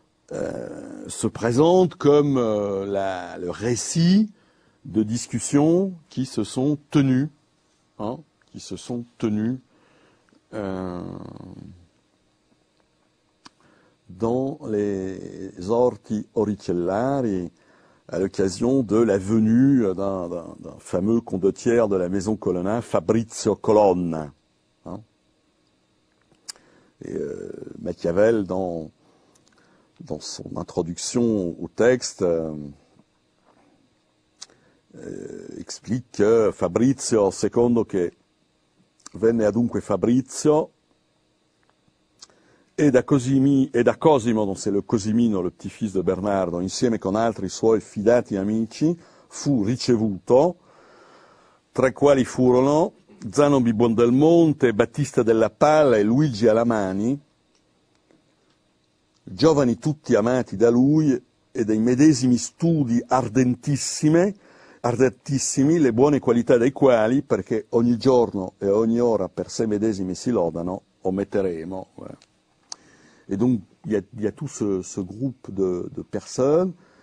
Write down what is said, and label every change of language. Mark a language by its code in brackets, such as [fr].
[fr] se présente comme le récit de discussions qui se sont tenues, hein, qui se sont tenues dans les Orti Oricellari, à l'occasion de la venue d'un fameux condottiere de la maison Colonna, Fabrizio Colonna. Hein. Et Machiavel, dans son introduction au texte, explique que Fabrizio, [it] secondo che venne adunque Fabrizio, e da Cosimo, [fr] donc c'est le Cosimino, le petit-fils de Bernardo, [it] insieme con altri suoi fidati amici, fu ricevuto, tra i quali furono Zano Bibon del Monte, Battista della Palla e Luigi Alamani, giovani tutti amati da lui e dei medesimi studi ardentissimi, le buone qualità dei quali, perché ogni giorno e ogni ora per sé medesimi si lodano, ometteremo. [fr] Et donc, il y a tout ce groupe de personnes.